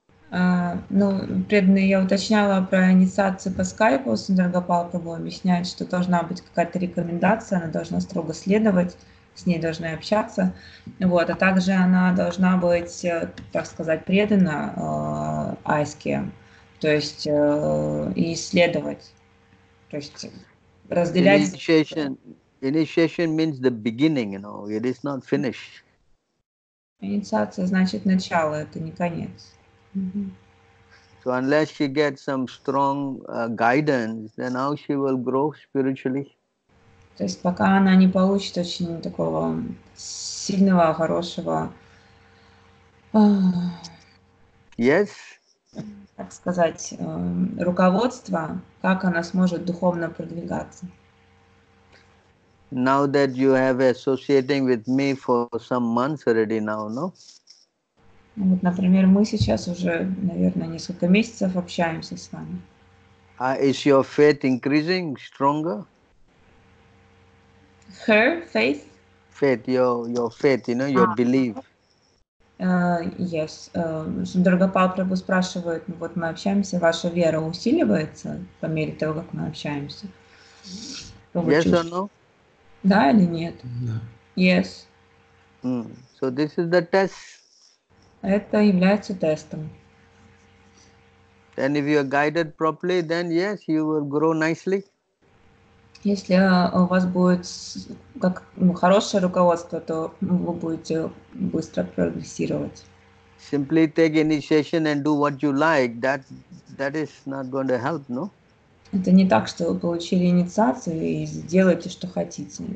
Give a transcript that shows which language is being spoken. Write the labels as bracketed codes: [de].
[ru] Ну, преданный, я уточняла про инициацию по скайпу, Сундаргопал пробовал объяснять, что должна быть какая-то рекомендация, она должна строго следовать, с ней должны общаться, вот, а также она должна быть, так сказать, предана айске, то есть и следовать, то есть разделять... [en] Initiation means the beginning, you know, it is not finished. [ru] Инициация значит начало, это не конец. Mm-hmm. [en] So unless she gets some strong guidance, then how she will grow spiritually? [ru] То есть пока она не получит очень такого сильного, хорошего, [en] yes, [ru] так сказать, руководства, как она сможет духовно продвигаться? [en] Now that you have associating with me for some months already now, no? [ru] Вот, например, мы сейчас уже, наверное, несколько месяцев общаемся с вами. [en] Is your faith increasing stronger? Her faith? Faith, your faith, you know, your belief. Yes. [ru] Сундаргопал Прабху спрашивает, ну вот мы общаемся, ваша вера усиливается по мере того, как мы общаемся? [en] Yes or no? [ru] Да или нет? [en] No. Yes. So this is the test. [ru] Это является тестом. [en] Then if you are guided properly, then yes, you will grow nicely. [ru] Если у вас будет как, ну, хорошее руководство, то вы будете быстро прогрессировать. [en] Simply take initiation and do what you like, that is not going to help, no? [ru] Это не так, что вы получили инициацию и сделаете, что хотите.